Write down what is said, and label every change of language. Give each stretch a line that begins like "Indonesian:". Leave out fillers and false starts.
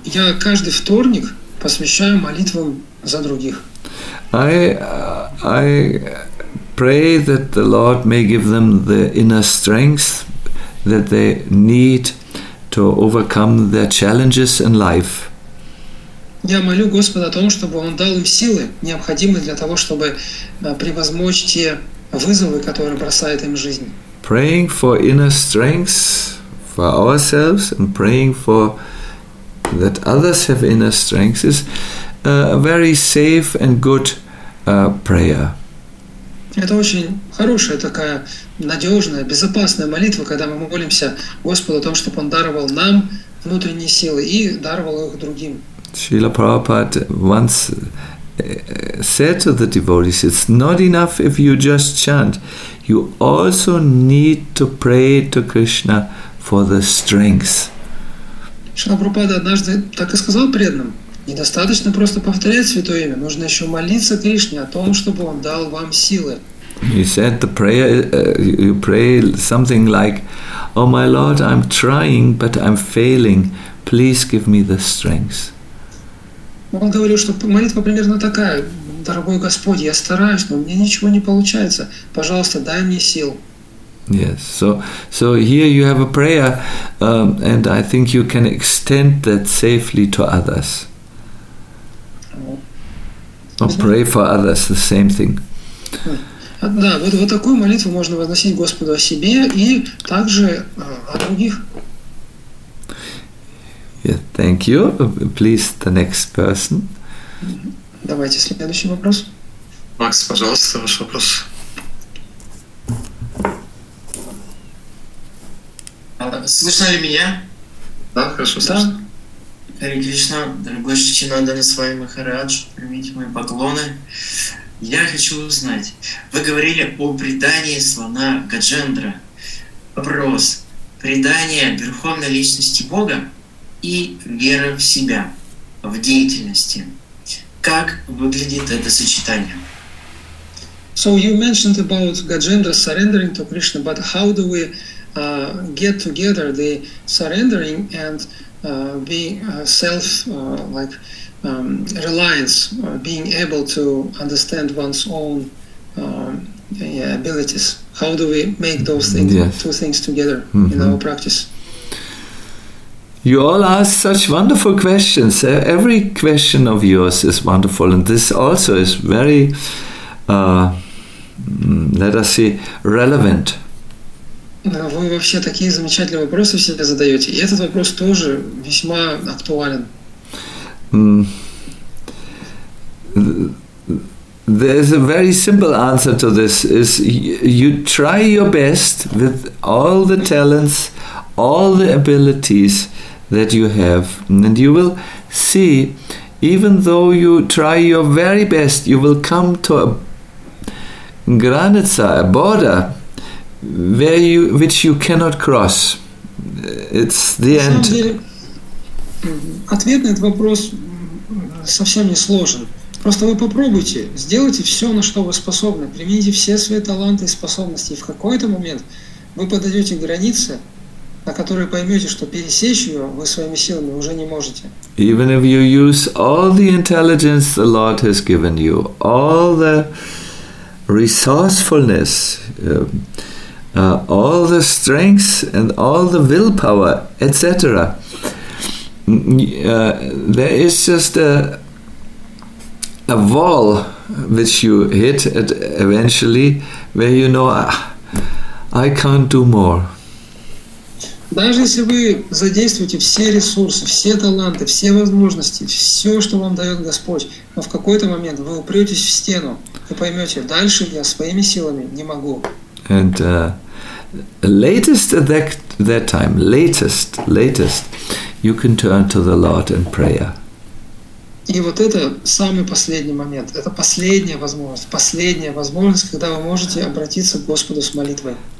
Russian: Я каждый вторник посвящаю молитвам за других.
English: I pray that the Lord may give them the inner strength that they need to overcome their challenges in life.
Russian: Я молю Господа о том, чтобы Он дал им силы, необходимые для того, чтобы превозмочь те вызовы, которые бросает им жизнь.
English: Praying for inner strength for ourselves and praying for that others have inner strength is a very safe and good prayer.
Russian: Это очень хорошая такая надежная, безопасная молитва, когда мы молимся Господу о том, чтобы Он даровал нам внутренние силы и даровал их другим.
English: Srila Prabhupada once said to the devotees, it's not enough if you just chant. You also need to pray to Krishna for the strength.
Russian: Шрила Прабхупада однажды так и сказал преданным: недостаточно просто повторять святое имя, нужно еще молиться Кришне о том, чтобы он дал вам силы.
English: You said the prayer, you pray something like, "Oh my Lord, I'm trying, but I'm failing. Please give me the strength."
Russian: Он говорил, что молитва примерно такая: "Дорогой Господь, я стараюсь, но у меня ничего не получается. Пожалуйста, дай мне сил."
English: Yes. So here you have a prayer, and I think you can extend that safely to others. Or pray for others the same thing.
Russian: Да, вот такую молитву можно возносить Господу о себе и также о других.
English: Yeah, thank you. Please, the next person.
Russian: Давайте следующий вопрос. Макс, пожалуйста, ваш вопрос. Слышно ли меня? Да, хорошо слышно. Хари Кришна, дорогой Шри Чинандана Свами Махарадж, примите мои поклоны. Я хочу узнать, вы говорили о предании слона Гаджендра. Вопрос. Предание Верховной Личности Бога и вера в себя, в деятельности. Как выглядит это сочетание?
English: So you mentioned about Gajendra surrendering to Krishna, but how do we get together the surrendering and being self like reliance, being able to understand one's own abilities. How do we make those things, yes, two things together, mm-hmm, in our practice? You all ask such wonderful questions. Every question of yours is wonderful, and this also is very, let us say, relevant.
Russian: Вы вообще такие замечательные вопросы себе задаете, и этот вопрос тоже весьма актуален.
English: There is a very simple answer to this: is you try your best with all the talents, all the abilities that you have, and you will see, even though you try your very best, you will come to a granica, a border, which you cannot cross. It's the end.
Russian: Ответ на этот вопрос совсем не сложен. Просто вы попробуйте, сделайте все, на что вы способны, примените все свои таланты и способности, и в какой-то момент вы подойдете к границе, на которой поймете, что пересечь ее вы своими силами уже не можете.
English: Even if you use all the intelligence the Lord has given you, all the resourcefulness, all the strengths and all the willpower, etc., there is just a wall which you hit at eventually, where you know, I can't do more.
Russian: Даже если вы задействуете все ресурсы, все таланты, все возможности, все, что вам дает Господь, но в какой-то момент вы упретесь в стену и поймете, дальше я своими силами не могу.
English: And latest at that time, latest, you can turn to the Lord in prayer.
Russian: И вот это самый последний момент, это последняя возможность, когда вы можете обратиться к Господу с молитвой.